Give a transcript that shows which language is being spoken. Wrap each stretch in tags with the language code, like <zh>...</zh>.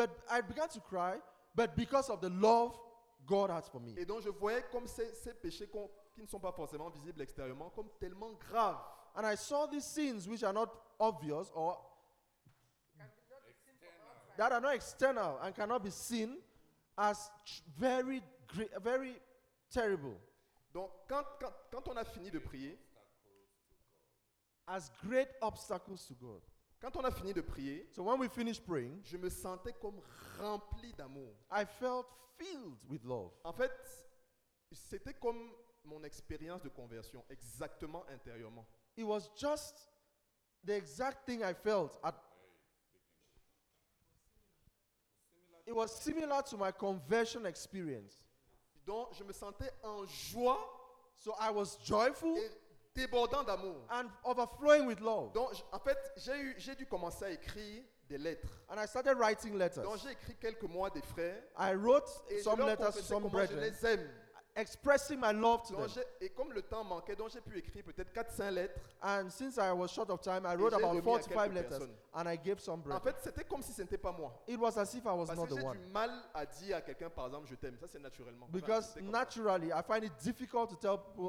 <en>I began to cry, but because of the love God has for me.</en> <fr>Et donc, je voyais comme ces péchés qui ne sont pas forcément visibles extérieurement comme tellement graves.</fr> <en>And I saw these sins which are not obvious or that are not external and cannot be seen as very great, very terrible.</en> <fr>Donc quand on a fini de prier,</fr> <en>as great obstacles to God.</en> <fr>Quand on a fini de prier,</fr> <en>so when we finished praying,</en> <fr>je me sentais comme rempli d'amour.</fr> <en>I felt filled with love.</en> <fr>En fait, c'était comme mon expérience de conversion exactement intérieurement.</fr> <en>It was just the exact thing I felt. It was similar to my conversion experience.</en> <fr>Donc, je me sentais en joie.</fr> <en>So I was joyful.</en> <fr>Et débordant d'amour.</fr> <en>And overflowing with love.</en> <fr>Donc, en fait, j'ai dû commencer à écrire des lettres.</fr> <en>And I started writing letters.</en> <fr>Donc, j'ai écrit quelques mois des frères.</fr> <en>I wrote some letters to some brethren.</en> <fr>Je les aime.</fr> <en>Expressing my love to</en> <fr>donc</fr> <en>them.</en> <fr>Et comme le temps manquait, donc j'ai pu écrire peut-être 4-5 lettres.</fr> <en>And since I was short of time, I wrote about 45 letters. And I gave some bread.</en> <fr>En fait, c'était comme si ce n'était pas moi.</fr> <en>It was as if I was</en> <fr>parce</fr> <en>not the one.</en> <fr>Parce que j'ai du mal à dire à quelqu'un, par exemple, je t'aime. Ça, c'est naturellement.</fr> <en>Because</en> <fr>enfin,</fr> <en>naturally, I find it difficult to tell people</en>